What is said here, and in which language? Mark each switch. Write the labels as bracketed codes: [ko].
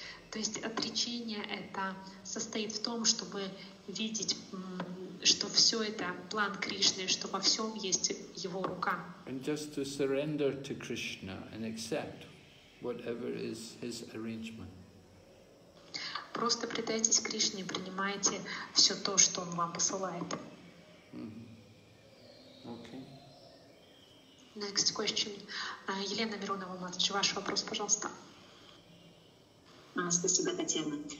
[ru] То есть отречение это состоит в том, чтобы видеть, что все это план Кришны, что во всем есть его рука. [en] And just to surrender to Krishna and accept whatever is his arrangement. [ru] Просто предайтесь Кришне, принимайте все то, что он вам посылает. [en] Mm-hmm. Okay. Next question. [ru] Елена Миронова, Матвич, ваш вопрос, пожалуйста. Спасибо, Татьяна.